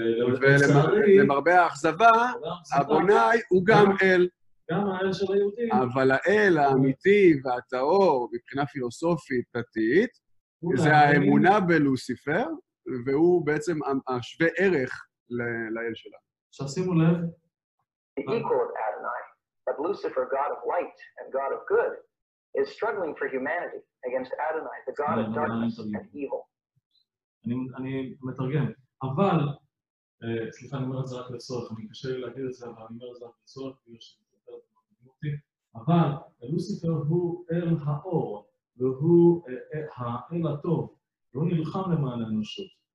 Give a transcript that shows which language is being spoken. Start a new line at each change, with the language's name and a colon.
Hebrew: הוא אל, ולמרבה האכזבה, אבונאי הוא גם אל. גם האל של היהודים. אבל האל האמיתי והטהור, מבחינה פילוסופית, דתית, זה האמונה בלוסיפר, והוא בעצם השווה ערך לאל שלה. עכשיו שימו לב.
English: The equal of Adonai, but Lucifer, God of light and God of good, is struggling for humanity against Adonai, the God of darkness and evil.
Hebrew: אני מתרגם. אבל, סליחה, אני אומר את זה רק לצורך, אני קשה לי להגיד את זה, אבל אני אומר את זה רק לצורך, כי יש לי יותר דמותי. אבל, לוסיפר הוא אל האור, והוא האל הטוב, והוא נלחם למען האנושות.